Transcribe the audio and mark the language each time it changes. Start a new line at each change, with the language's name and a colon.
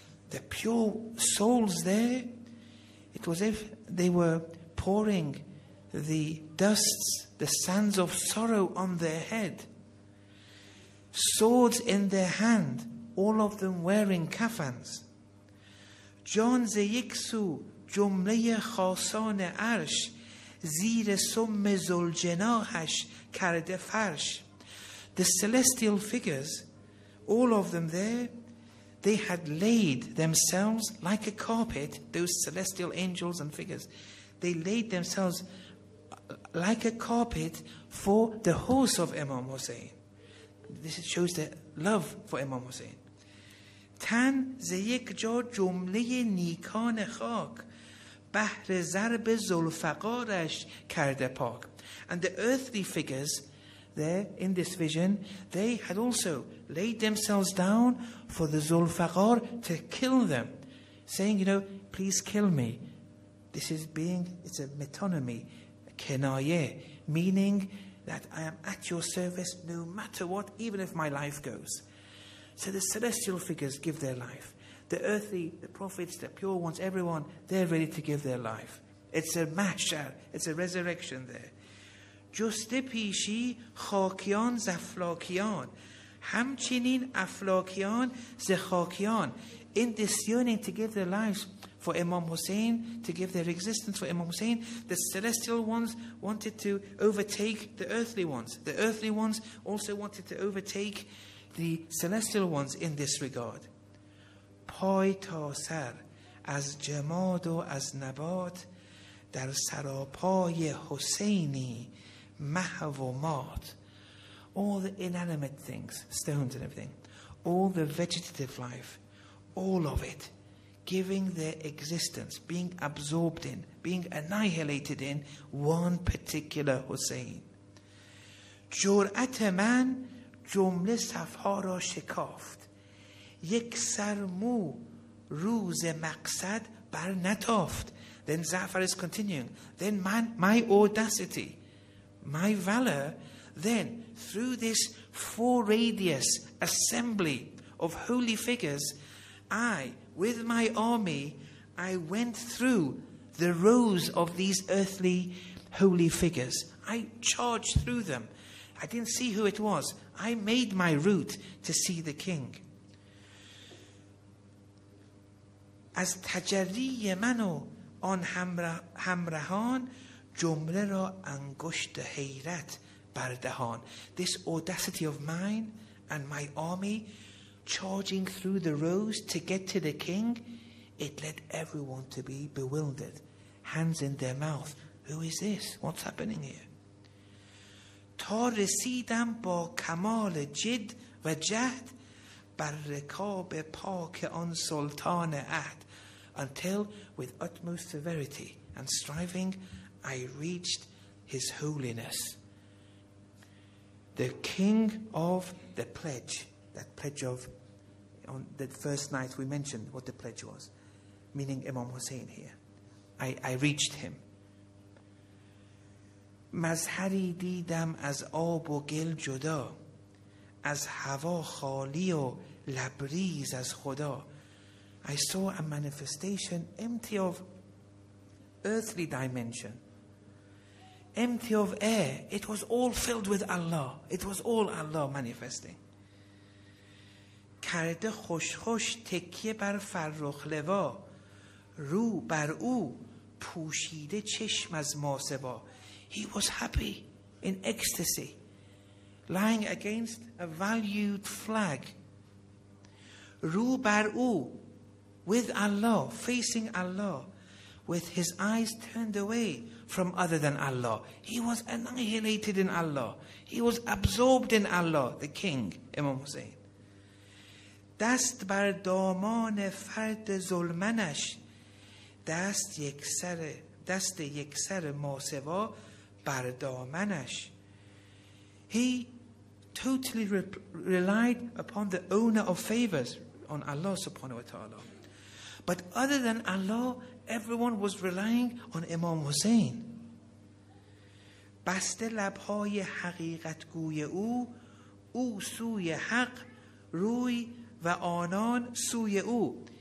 English: The pure souls there, it was as if they were pouring the dusts, the sands of sorrow on their head. Swords in their hand, all of them wearing kafans.
Persian: جان ز یک سو جمله خاصان عرش زیر سم زلجناهش کرده فرش.
English: The celestial figures, all of them there, they had laid themselves like a carpet, those celestial angels and figures, they laid themselves like a carpet for the horse of Imam Hussein. This shows their love for Imam Hussein.
Persian: تن ز یک جا جمله نیکان خاک بهر ضرب ذوالفقارش کرده پاک.
English: And the earthly figures there in this vision, they had also laid themselves down for the ذوالفقار to kill them, saying, you know, please kill me. This is being, it's a metonymy, kenaye, meaning that I am at your service no matter what, even if my life goes. So the celestial figures give their life. The earthly, the prophets, the pure ones, everyone, they're ready to give their life. It's a mahshar. It's a resurrection there.
Persian: جست پیشی خاکیان زفلاکیان همچنین افلاکیان زخاکیان.
English: In this yearning to give their lives for Imam Hussein, to give their existence for Imam Hussein, the celestial ones wanted to overtake the earthly ones. The earthly ones also wanted to overtake the celestial ones in this regard.
Persian: پای تا سر از جماد و از نبات در سراپای حسینی محو و مات.
English: All the inanimate things, stones and everything, all the vegetative life, all of it, giving their existence, being absorbed in, being annihilated in one particular Hussein.
Persian: جرأت من جمله صفها را شکافت یک سر مو روز مقصد بر نتافت.
English: Then Za'far is continuing. Then man, my audacity, my valor, then through this four radius assembly of holy figures, I, with my army, I went through the rows of these earthly holy figures. I charged through them. I didn't see who it was. I made my route to see the king.
Persian: از تجری من و آن همراهان جمله را انگشت حیرت بر دهان.
English: This audacity of mine and my army charging through the rows to get to the king, it led everyone to be bewildered. Hands in their mouth. Who is this? What's happening here?
Persian: تا رسیدم با کمال جد و جهد بر رکاب پاک آن سلطان عهد.
English: Until with utmost severity and striving I reached his holiness, the king of the pledge. That pledge of, on the first night we mentioned what the pledge was, meaning Imam Hussein here. I reached him.
Persian: مظهری دیدم از آب و گل جدا، از هوا خالی و لبریز از خدا.
English: I saw a manifestation empty of earthly dimension, empty of air. It was all filled with Allah. It was all Allah manifesting.
Persian: کرده خوش خوش تکیه بر فرخ لوا، رو بر او پوشیده چشم از ماسبا.
English: He was happy in ecstasy, lying against a valued flag.
Persian: رو بر او،
English: with Allah, facing Allah, with his eyes turned away from other than Allah. He was annihilated in Allah. He was absorbed in Allah, the king, Imam Hussein.
Persian: دست بر دامان فرد ظلمنش، دست یک سر ماسوا بر دامنش.
English: He totally relied upon the owner of favors, on Allah subhanahu wa ta'ala. But other than Allah, everyone was relying on Imam Hussein.
Persian: بسته لبهای حقیقت گوی او، او سوی حق روی و آنان سوی او.